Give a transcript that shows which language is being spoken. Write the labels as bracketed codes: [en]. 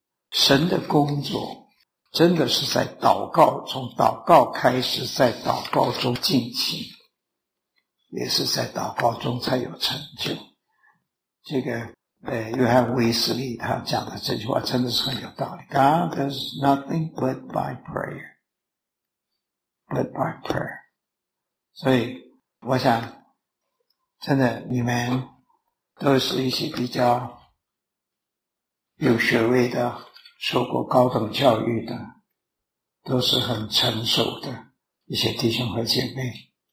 [zh] 神的工作真的是在祷告，从祷告开始，在祷告中进行，也是在祷告中才有成就。这个约翰威斯利他讲的这句话真的是很有道理。 [en] God does nothing but by prayer, but by prayer. [zh] 所以我想真的你们都是一些比较有学位的，受过高等教育的，都是很成熟的一些弟兄和姐妹。